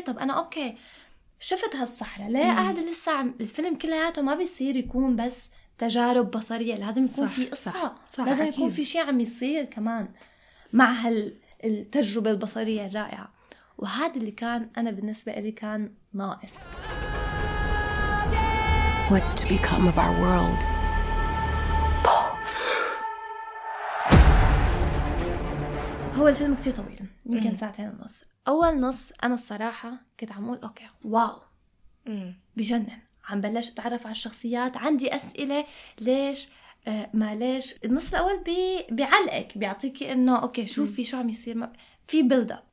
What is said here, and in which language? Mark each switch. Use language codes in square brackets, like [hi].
[ar] طب أنا أوكي شفت هالصحرة ليه قاعدة لسه الفيلم كلها ما بيصير يكون بس تجارب بصرية، لازم يكون في قصة، لازم يكون في شيء عم يصير كمان مع هالتجربة البصرية الرائعة، وهذا اللي كان أنا بالنسبة لي كان ناقص. [en] What's to become of our world? [ar] هو الفيلم كتير طويل، يمكن ساعتين ونص. أول نص أنا الصراحة كنت عم أقول أوكي واو بجنن، عم بلش أتعرف على الشخصيات، عندي أسئلة ليش ما ليش. النص الأول بيعلقك بيعطيك إنه أوكي شوفي شو عم يصير، في بيلد أب.